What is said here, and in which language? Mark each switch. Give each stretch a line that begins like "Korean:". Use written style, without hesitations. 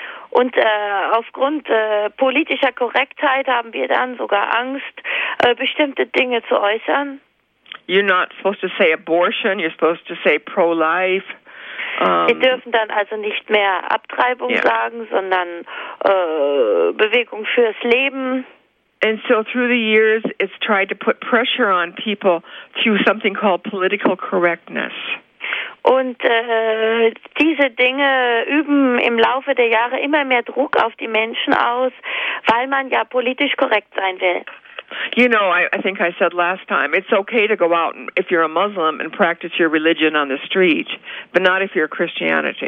German: Und aufgrund politischer Korrektheit haben wir dann sogar Angst, bestimmte Dinge zu äußern.
English: You're not supposed to say abortion, you're supposed to say pro-life.
German: Wir dürfen dann also nicht mehr Abtreibung sagen, sondern Bewegung fürs Leben.
English: And so through the years, it's tried to put pressure on people through something called political correctness.
German: Und diese Dinge üben im Laufe der Jahre immer mehr Druck auf die Menschen aus, weil man ja politisch korrekt sein will.
English: You know, I think I said last time, it's okay to go out and, if you're a Muslim and practice your religion on the street, but not if you're Christian.